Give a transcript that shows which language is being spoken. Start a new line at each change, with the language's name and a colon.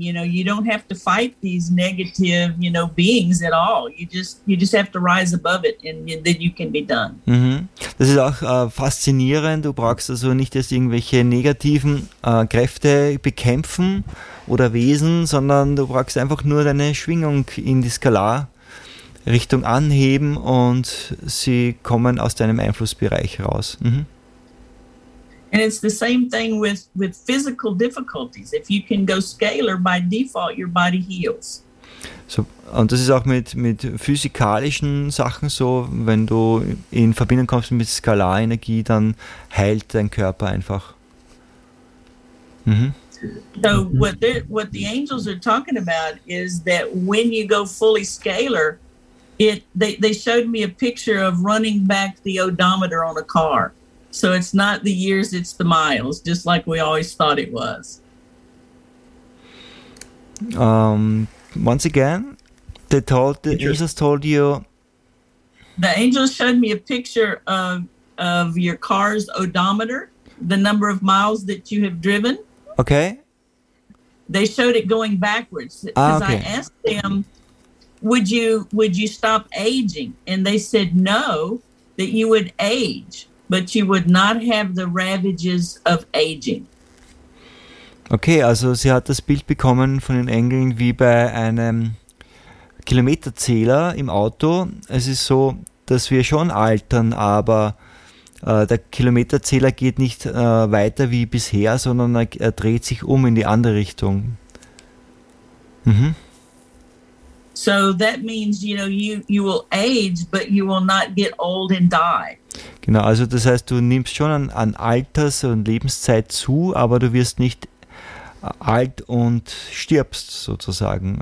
English: You know, you don't have to fight these negative, you know, beings at all. You just have to rise above it and then you can be done. Mm-hmm.
German: Das ist auch faszinierend. Du brauchst also nicht erst irgendwelche negativen Kräfte bekämpfen oder Wesen, sondern du brauchst einfach nur deine Schwingung in die Skalarrichtung anheben und sie kommen aus deinem Einflussbereich raus. Mm-hmm.
English: And it's the same thing with physical difficulties. If you can go scalar, by default, your body heals.
German: So, und das ist auch mit physikalischen Sachen so. Wenn du in Verbindung kommst mit Skalarenergie, dann heilt dein Körper einfach. Mm-hmm.
English: So what the angels are talking about is that when you go fully scalar, they showed me a picture of running back the odometer on a car. So it's not the years, it's the miles, just like we always thought it was. Once again, the angels told you... The angels showed me a picture of your car's odometer, the number of miles that you have driven. Okay. They showed it going backwards. Because I asked them, would you stop aging? And they said no, that you would age. But you would not have the ravages of aging.
German: Okay, also sie hat das Bild bekommen von den Engeln wie bei einem Kilometerzähler im Auto. Es ist so, dass wir schon altern, aber der Kilometerzähler geht nicht weiter wie bisher, sondern er dreht sich um in die andere Richtung. Mhm.
English: So that means, you know, you will age, but you will not get old and die.
German: Genau, also das heißt, du nimmst schon an Alters- und Lebenszeit zu, aber du wirst nicht alt und stirbst sozusagen.